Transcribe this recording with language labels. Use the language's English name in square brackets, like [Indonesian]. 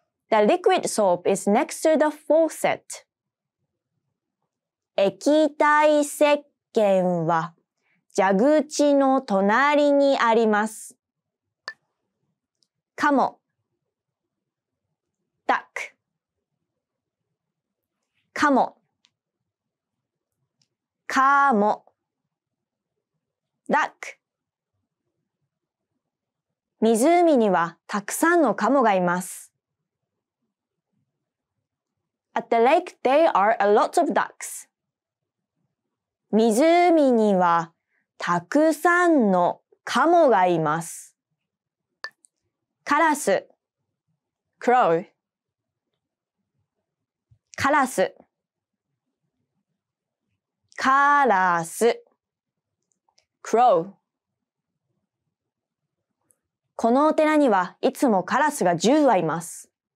[English] The liquid soap is next to the faucet. [Japanese] 液体石鹸は蛇口の隣にあります。カモ duck カモカモ duck 湖にはたくさんのカモがいます。 [English] At the lake there are a lot of ducks. [Japanese] 湖にはたくさんのカモがいます。カラス crow カラスカラス crow このお寺にはいつもカラスが10羽います。